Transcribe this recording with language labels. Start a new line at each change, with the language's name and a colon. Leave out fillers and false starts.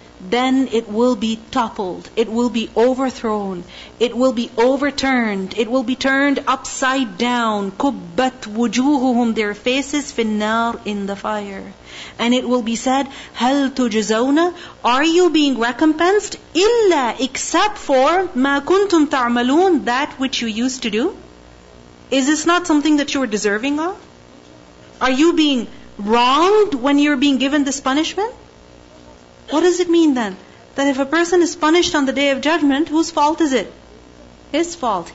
English: Then it will be toppled, it will be overthrown, it will be overturned, it will be turned upside down.
Arabic: كُبَّتْ وُجُوهُهُمْ.
English: Their faces
Arabic: فِي النَّارِ.
English: In the fire. And it will be said,
Arabic: هَلْ تُجْزَوْنَ.
English: Are you being recompensed?
Arabic: إِلَّا.
English: Except for
Arabic: مَا كُنْتُمْ تَعْمَلُونَ.
English: That which you used to do. Is this not something that you are deserving of? Are you being wronged when you are being given this punishment? What does it mean then? That if a person is punished on the Day of Judgment, whose fault is it? His fault.